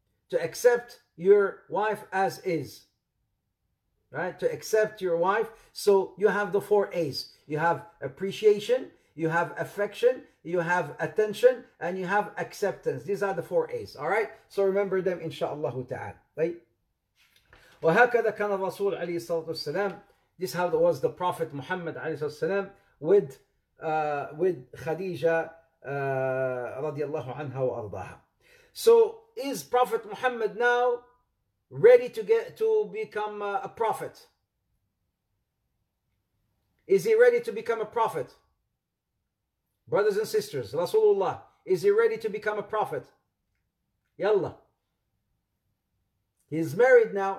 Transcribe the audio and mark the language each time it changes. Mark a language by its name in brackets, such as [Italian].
[English] To accept your wife as is. Right? To accept your wife. So you have the 4 A's. You have appreciation, you have affection, you have attention, and you have acceptance. These are the 4 A's. Alright? So remember them inshaAllah ta'ala. Right? [Arabic] وهكذا كان الرسول عليه الصلاة والسلام. [English] This how was the Prophet Muhammad [Arabic] عليه الصلاة والسلام with خديجة رضي الله عنها وأرضاها. [English] So is Prophet Muhammad now ready to become a prophet? Is he ready to become a prophet? Brothers and sisters, Rasulullah, is he ready to become a prophet? Yalla. He's married now.